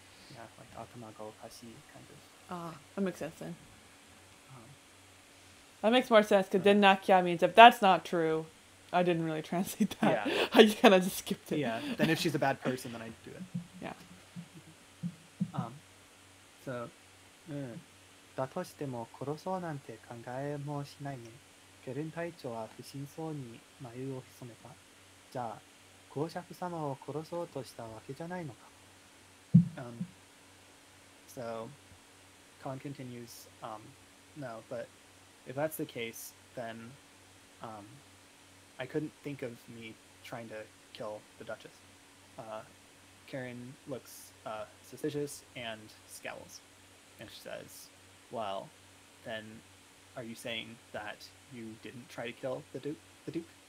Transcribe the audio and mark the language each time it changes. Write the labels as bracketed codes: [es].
[en] Yeah, like, Atamago Kashi kind of. Ah, that makes sense then. That makes more sense, because then Nakia means, if that's not true, I didn't really translate that. Yeah. I kind of just skipped it. Yeah, then if she's a bad person, then I'd do it. Yeah. [ja] だとしても殺そうなんて考えもしないね。ケルン隊長は不審そうに眉を潜めた。じゃあ、公爵様を殺そうとしたわけじゃないのか。 [en] So, Khan continues, no, but if that's the case, then I couldn't think of me trying to kill the Duchess. Karen looks suspicious and scowls, and she says, well, then are you saying that you didn't try to kill the Duke?